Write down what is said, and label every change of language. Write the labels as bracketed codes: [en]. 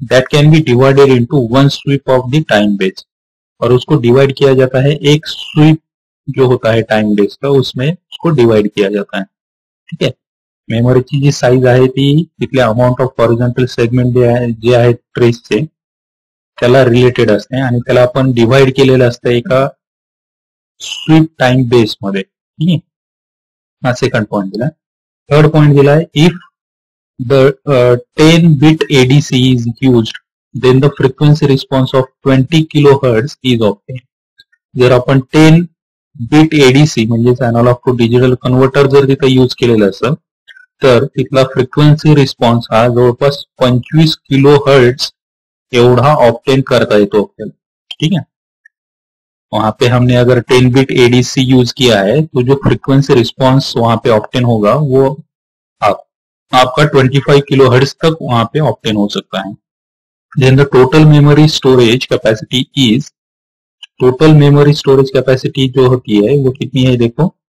[en] that can be divided into one sweep of the time base, [hi] और उसको divide किया जाता है एक स्वीप जो होता है टाइम बेस का उसमें उसको डिवाइड किया जाता है, ठीक है। [mr] मेमोरी की जी साइज आहे ती तिथल्या अमाउंट ऑफ हॉरिजॉन्टल सेगमेंट जे आहे ट्रेस चे त्याला रिलेटेड असते आणि त्याला आपण डिवाइड केलेलं असतं एका स्वीप टाइम बेस मध्ये, ठीक आहे। हा सेकंड पॉइंट दिला। [en] Third point दिला if the 10 bit ADC is use then the frequency response of 20 kilohertz is obtain. [mr] जर आपण 10 बिट एडीसी म्हणजेच अॅनालॉग टू डिजिटल कन्व्हर्टर जर तिथे यूज केलेलं असेल तर तिथला फ्रिक्वेन्सी रिस्पॉन्स हा जवळपास 25 किलोहर्ट्ज एवढा ऑब्टेन करता येतो आपल्याला, ठीक आहे। [hi] वहां पे हमने अगर 10 बिट एडीसी यूज किया है तो जो फ्रिक्वेंसी रिस्पॉन्स वहां पे ऑप्टेन होगा वो आपका 25 किलो हर्ट्ज तक वहां पे ऑप्टेन हो सकता है। [en] then the total memory storage capacity is, [hi] total memory storage capacity जो होती है वो कितनी है देखो